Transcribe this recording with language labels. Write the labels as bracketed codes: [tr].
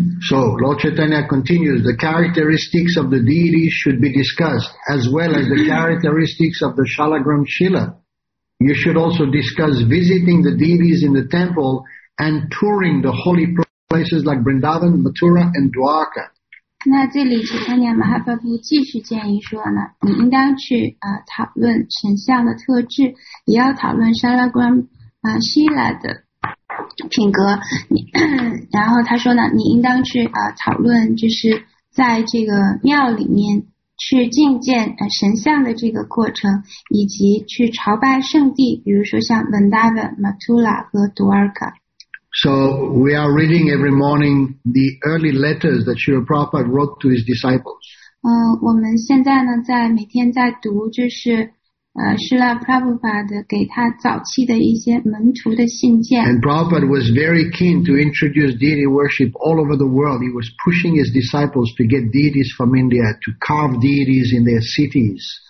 [en] So Lord Chaitanya continues The characteristics of the deity should be discussed As well as the characteristics of the Shalagram Shila You should also discuss visiting the deities in the temple And touring the holy places like Vrindavan, Mathura and Dwarka [zh] 那这里齐三年马哈巴布继续建议说呢，你应当去讨论神像的特质，也要讨论沙拉观希腊的品格。然后他说呢，你应当去讨论就是在这个庙里面去觐见神像的这个过程，以及去朝拜圣地，比如说像文达文、马图拉和杜尔卡。 [en] So we are reading every morning the early letters that Srila Prabhupada wrote to his disciples. [zh] 我们现在呢，在每天在读，就是Srila Prabhupada 的给他早期的一些门徒的信件。 [en] And Prabhupada was very keen to introduce deity worship all over the world. He was pushing his disciples to get deities from India to carve deities in their cities.